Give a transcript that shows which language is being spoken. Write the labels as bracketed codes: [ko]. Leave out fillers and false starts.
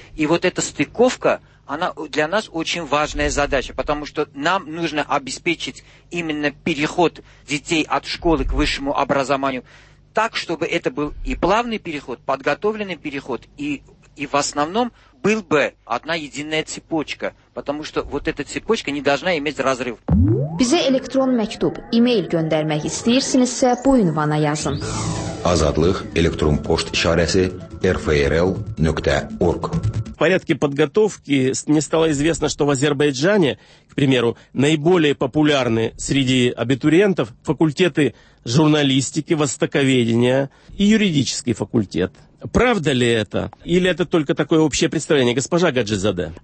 [ru] И вот эта стыковка, она для нас очень важная задача, потому что нам нужно обеспечить именно переход детей от школы к высшему образованию так, чтобы это был и плавный переход, подготовленный переход, и в основном был бы одна единая цепочка, потому что вот эта цепочка не должна иметь разрыв. [az] Bize elektron məktub, e-mail göndərmək istəyirsinizsə, bu ünvana yazın. Azadlıq, elektron poşt işarəsi, rfrl.org. [ru] В порядке подготовки мне стало известно, что в Азербайджане, к примеру, наиболее популярны среди абитуриентов факультеты журналистики, востоковедения и юридический факультет. Правда ли это? Или это только такое общее представление, госпожа Гаджизаде?